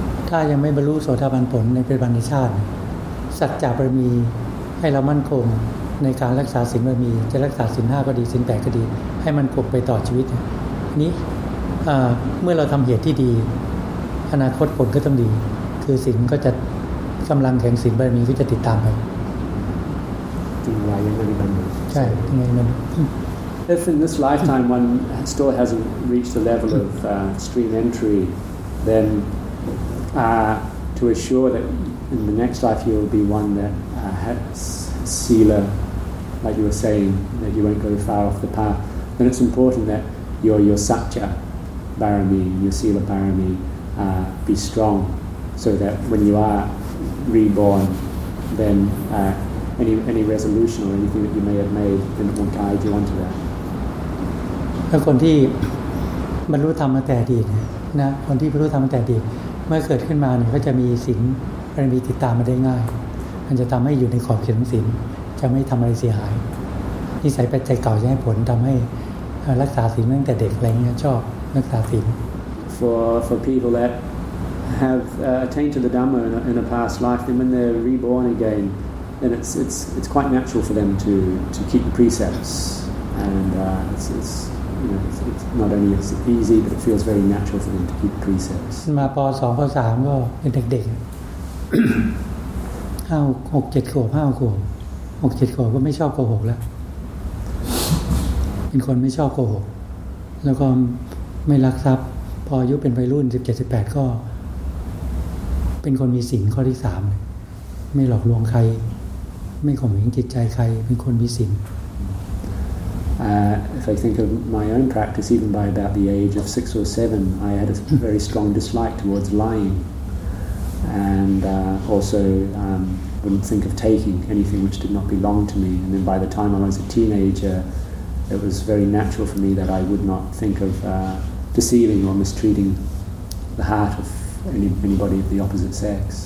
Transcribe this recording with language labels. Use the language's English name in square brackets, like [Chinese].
[Thai] ถ้ายังไม่บรรลุโสดาบันผลในปัจจุบันชาติสัจจะบารมีให้เรามั่นคงในการรักษาศีลบารมีจะรักษาศีล5ก็ดีศีล8ก็ดีให้มันคงไปต่อชีวิตนี้เมื่อเราทำเหตุที่ดีอนาคตผลก็ต้องดีคือศีลก็จะกำลังแข็งศีลบารมีก็จะติดตามไป จริงไว้ยังไม่บรรลุ ใช่ยังไม่บรรลุ [English] If in this lifetime one still hasn't reached the level of stream entry thento assure that in the next life you'll be one that has sila, like you were saying, that you won't go far off the path, then it's important that your satya barami, your sila barami, be strong, so that when you are reborn, then any resolution or anything that you may have made, then it won't guide you onto that. [Thai] The คนที่บรรลุธรรมมาแต่ดีนะคนที่บรรลุธรรมมาแต่ดีเมื่อเกิดขึ้นมาเนี่ยก็จะมีศีลบารมีติดตามมาได้ง่ายมันจะทำให้อยู่ในขอบเขตของศีลจะไม่ทำอะไรเสียหายนิสัยปัจจัยเก่าจะให้ผลทำให้รักษาศีลตั้งแต่เด็กอะไรเงี้ยชอบรักษาศีล [English] for people that have attained to the Dhamma in a past life then when they're reborn again then it's quite natural for them to keep the precepts and it'sYou know, it's not only it's easy, but it feels very natural for them to keep precepts. [Thai] มาป. สองป. สามก็เป็นเด็กๆ ห้าหกเจ็ดขวบห้าขวบหกเจ็ดขวบก็ไม่ชอบโกหกแล้วเป็นคนไม่ชอบโกหกแล้วก็ไม่รักทรัพย์พออายุเป็นวัยรุ่นสิบเจ็ดสิบแปดก็เป็นคนมีศีลข้อที่สามไม่หลอกลวงใครไม่ข่มเหงจิตใจใครเป็นคนมีศีล [English] If I think of my own practice, even by about the age of 6 or 7, I had a very strong dislike towards lying, and also wouldn't think of taking anything which did not belong to me. And then by the time I was a teenager, it was very natural for me that I would not think of deceiving or mistreating the heart of anybody of the opposite sex.